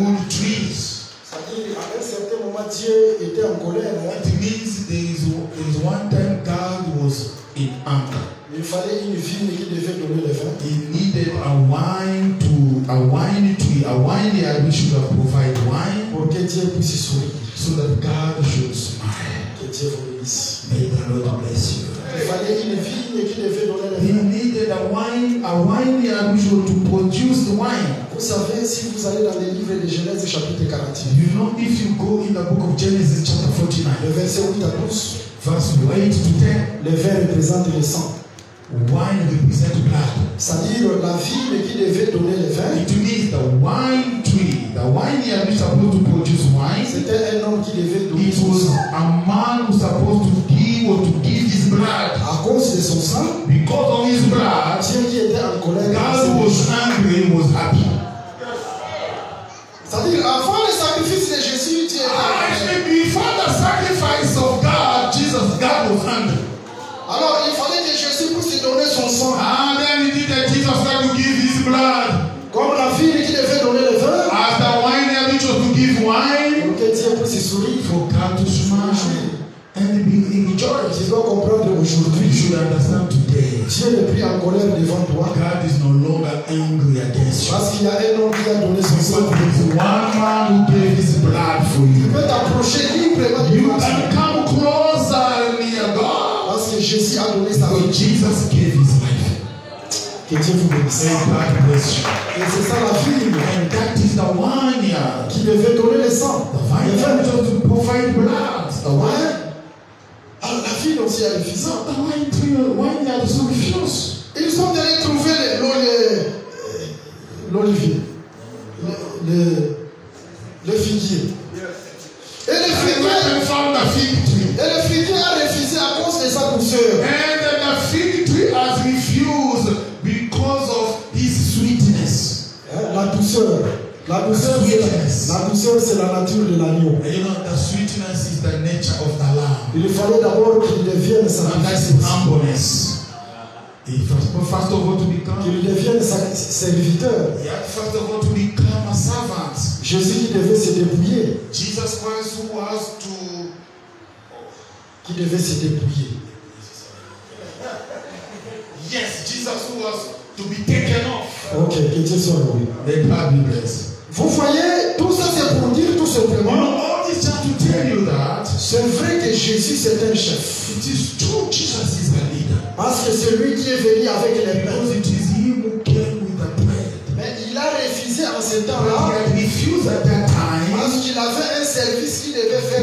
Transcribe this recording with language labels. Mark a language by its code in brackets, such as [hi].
[fr] C'est-à-dire, à un certain moment, Dieu était en colère. [en] It means there is one time God was in anger. [fr] Il fallait une vigne qui devait donner le vin. [en] He needed a wine tree which should have provided wine. [fr] Pour que Dieu puisse sourire. [en] So that God should smile. [fr] Que Dieu vous bénisse. [en] May the Lord bless you. [fr] Il fallait une vigne qui devait donner le [en] vin. A wine to produce the wine. [fr] Vous savez, si vous allez dans les livres de Genèse chapitre 49. [en] You know, if you go in the book of Genesis chapter 49, [fr] le verset 8 à 12, [en] verse 8 to 10, [fr] le vin représente le sang. [en] Wine represents blood. [fr] C'est-à-dire la vigne qui devait donner le vin. [en] It means the wine tree, the wine that was supposed to produce wine. [fr] C'était un homme qui devait donner. [en] It was a man who was supposed to give or to give his blood. [fr] À cause de son sang. [en] Because of his blood. [fr] Dieu qui était en colère. [en] God was angry and was happy. [fr] C'est-à-dire avant le sacrifice de Jésus, Dieu était. [en] Ah, before the sacrifice of God, Jesus, God was angry. [fr] Alors il fallait que Jésus puisse donner son sang. [en] And then he did that Jesus had to give his blood. [fr] Comme la fille qui devait donner le vin. [en] As the wine that he chose to give wine. [fr] Pour que Dieu puisse sourire. [en] For God to smile. And be rejoiced. [fr] Il doit comprendre aujourd'hui. [en] You should understand today. [fr] Dieu n'est plus en colère devant toi. [en] God is no longer angry against you. [fr] Parce qu'il y a un homme qui a donné son sang. [en] There is one man who gave his blood for you. [fr] Tu peux t'approcher librement. [en] You can come closer near God. [fr] Jésus a donné sa [en] vie. Jesus gave his life. [fr] Que Dieu vous bénisse. [en] And God bless you. [fr] Et c'est ça la vigne. [en] And that is the wine, yeah. [fr] Qui devait donner le sang. [en] The vine. The vine to provide blood. The wine. [fr] Alors la vigne aussi a refusé. [en] The wine tree, wine also refused. [fr] Ils sont allés trouver l'olivier. Le figuier. Et le figuier. [en] They found the fig tree. [fr] Et le figuier a refusé à cause de sa douceur. [en] And the fig tree has refused because of his sweetness. [fr] La douceur. La douceur, la douceur, c'est la nature de l'agneau. [en] And you know, the sweetness is the nature of the lamb. [fr] Il fallait d'abord qu'il devienne [en] sacrificateur. Humbleness. First of all, to become. [fr] Qu'il devienne serviteur. [en] Yeah, first of all, to become a servant. [fr] Jésus qui devait se dépouiller. [en] Jesus Christ who was to. [fr] Qui devait se dépouiller. [en] Yes, Jesus who was to be taken off. [fr] Ok, que Dieu soit loué. [en] Let God be blessed. [fr] Vous voyez, tout ça c'est pour dire tout simplement. [en] You know, all this just to tell you that. [fr] C'est vrai que Jésus est un chef. [en] It is true, Jesus is a leader. [fr] Parce que c'est lui qui est venu avec le pain. [en] Because it is him who came with the bread. [fr] Mais il a refusé en ce temps-là. [en] He had refused at that time. [fr] Parce qu'il avait un service qu'il devait faire.